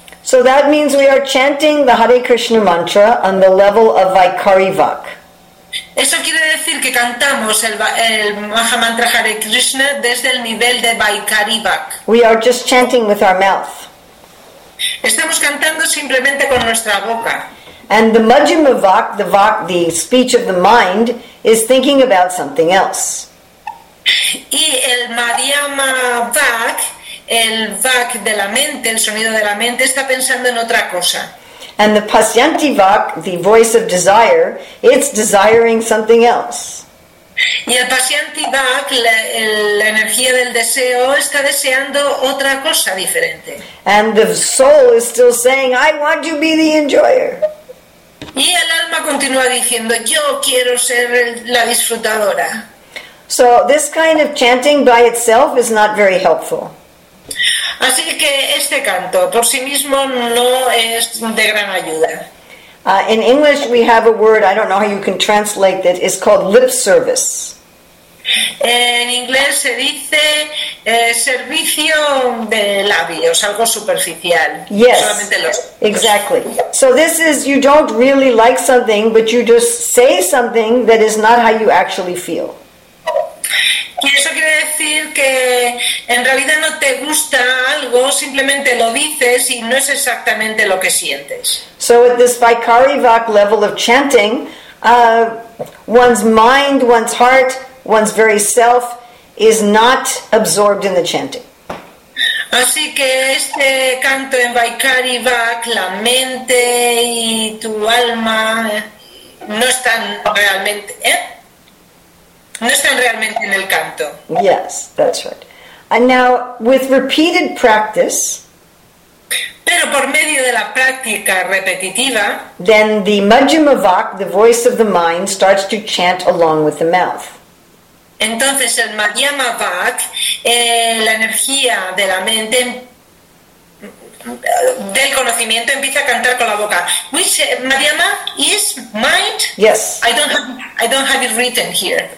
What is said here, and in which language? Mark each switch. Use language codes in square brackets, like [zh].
[en] So that means we are chanting the Hare Krishna mantra on the level of Vaikari Vak. [es] Eso quiere decir que cantamos el Maha Mantra Hare Krishna desde el nivel de Vaikari Vak. [en] We are just chanting with our mouth. [es] Estamos cantando simplemente con nuestra boca. [en] And the Majjhima Vak, the Vak, the speech of the mind, is thinking about something else. [es] Y el Madhyama Vak, el Vak de la mente, el sonido de la mente, está pensando en otra cosa. [en] And the Pasyanti Vak, the voice of desire, it's desiring something else. [es] Y el Pasyanti Vak, la energía del deseo, está deseando otra cosa diferente. [en] And the soul is still saying, I want to be the enjoyer. [es] Y el alma continúa diciendo, yo quiero ser la disfrutadora. [en] So this kind of chanting by itself is not very helpful. [es] Así que este canto por sí mismo no es de gran ayuda. [en] In English we have a word, I don't know how you can translate it, it's called lip service. [es] En inglés se dice servicio de labios, algo superficial. [en] Yes, [es] solamente los... [en] exactly. So this is, you don't really like something, but you just say something that is not how you actually feel. [es] Y eso quiere decir que en realidad no te gusta algo, simplemente lo dices y no es exactamente lo que sientes. [en] So at this Vaikari Vak level of chanting, one's mind, one's heart, one's very self is not absorbed in the chanting. [es] Así que este canto en Vaikari va, la mente y tu alma no están realmente, no están realmente en el canto. [en] Yes, that's right. And now, with repeated practice, [es] pero por medio de la práctica repetitiva, [en] then the Majjhima Vak, the voice of the mind, starts to chant along with the mouth. [es] Entonces el Majjhima Vak, la energía de la mente, del conocimiento, empieza a cantar con la boca. [en] Which Madhyama is mind? Yes. I don't have it written here.